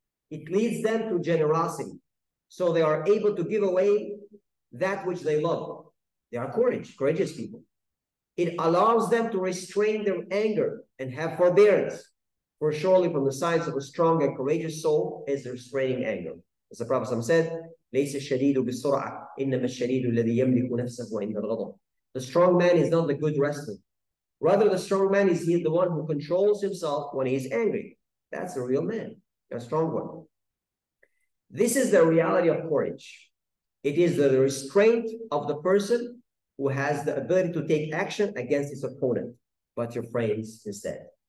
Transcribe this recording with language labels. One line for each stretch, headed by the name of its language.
English: It leads them to generosity. So they are able to give away that which they love. They are courageous people. It allows them to restrain their anger and have forbearance. For surely from the signs of a strong and courageous soul is restraining anger. As the Prophet said,
Arabic: لَيْسَ الشَّدِيدُ بِالسُّرْعَةِ إِنَّمَا الشَّدِيدُ الَّذِي يَمْلِكُ نَفْسَهُ عِنْدَ الْغَضَبِ.
English: The strong man is not the good wrestler. Rather, the strong man is the one who controls himself when he is angry. That's a real man, a strong one. This is the reality of courage. It is the restraint of the person who has the ability to take action against his opponent, but refrains instead.